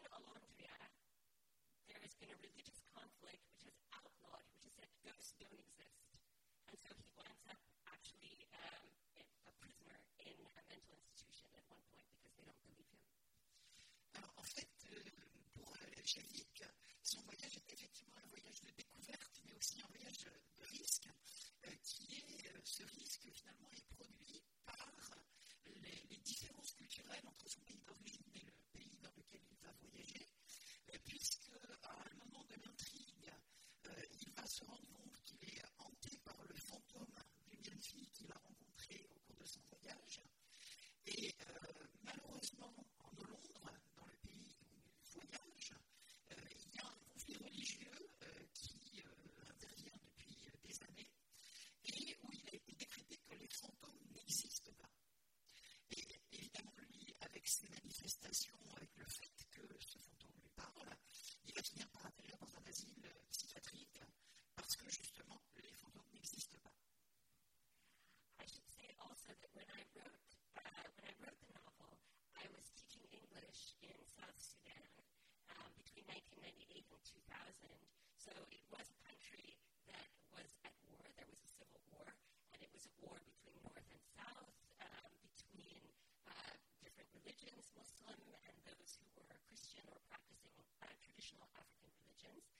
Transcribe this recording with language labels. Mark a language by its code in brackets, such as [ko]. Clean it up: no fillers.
[en] in a religious conflict which has outlawed, which has said ghosts don't exist. And so he winds up actually a prisoner in a mental institution at one point because they don't believe him. [fr] Alors, en fait, pour Jelic, son voyage est effectivement un voyage de découverte, mais aussi un voyage de risque, qui est ce risque finalement est produit par les différences culturelles entre son pays d'origine et le pays dans lequel il va voyager, puisque à un moment de l'intrigue, il va se rendre compte qu'il est hanté par le fantôme d'une jeune fille qu'il a rencontrée au cours de son voyage, et malheureusement, en Hollande, dans le pays où il voyage, il y a un conflit religieux qui intervient depuis des années, et où il a été décrété que les fantômes n'existent pas. Et évidemment, lui, avec ses manifestations, avec le fait que ce fantôme lui parle, il va finir par atterrir dans un asile psychiatrique, parce que justement, les fantômes n'existent pas. [en] I should say also that when I wrote the novel, I was teaching English in South Sudan between 1998 and 2000. So it was a country that was at war. There was a civil war, and it was a war between North and South, between different religions, Muslim and those who were Christian or practicing traditional African religions.